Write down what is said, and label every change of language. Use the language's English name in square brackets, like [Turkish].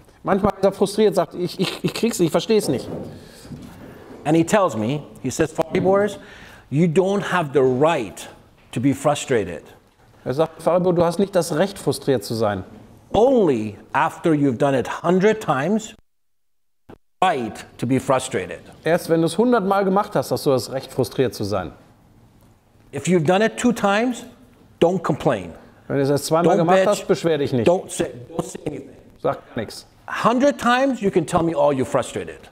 [German] Manchmal ist er frustriert, sagt, ich krieg's nicht, ich verstehe es nicht. [English] And he tells me, he says, Fabi Boris, you don't have the right to be frustrated. [German] Er sagt, Fabio, du hast nicht das Recht, frustriert zu sein. [English] Only after you've done it 100 times, right to be frustrated. [German] Erst wenn du es 100 Mal gemacht hast, hast du das Recht, frustriert zu sein. [English] If you've done it 2 times, don't complain. [German] Wenn du es 2 Mal gemacht hast, beschwer dich nicht. [English] Don't say anything. [German] Sag nichts. [English] 100 times, you can tell me all you're frustrated.